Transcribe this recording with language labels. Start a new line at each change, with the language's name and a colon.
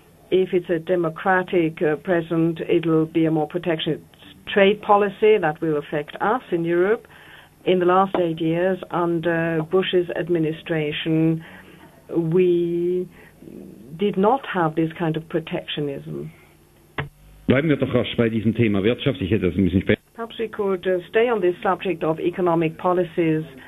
English: If it's a democratic president, it'll be a more protectionist trade policy that will affect us in Europe. In the last 8 years, under Bush's administration, we did not have this kind of protectionism.
German: Bleiben wir doch rasch bei diesem Thema Wirtschaft. Ich hätte das ein bisschen später.
English: Perhaps we could stay on this subject of economic policies.